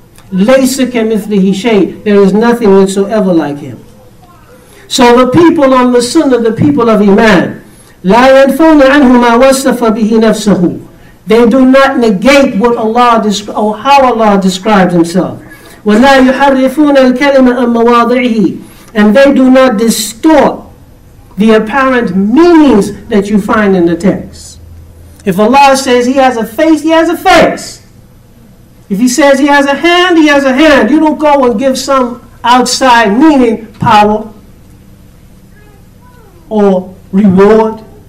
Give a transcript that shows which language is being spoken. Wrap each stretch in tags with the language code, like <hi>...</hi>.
<ar>لَيْسَ كَمِثْلِهِ شَيْءٍ</ar> <en>There is nothing whatsoever like Him. So the people on the sunnah, the people of Iman,</en> <ar>لا ينفون عنه ما وصف به نفسه.</ar> <en>They do not negate what Allah or how Allah describes Himself.</en> <ar>ولا يحرفون الكلمة عن مواضعه.</ar> <en>And they do not distort the apparent meanings that you find in the text. If Allah says He has a face, He has a face. If He says He has a hand, He has a hand. You don't go and give some outside meaning, power, or reward.</en>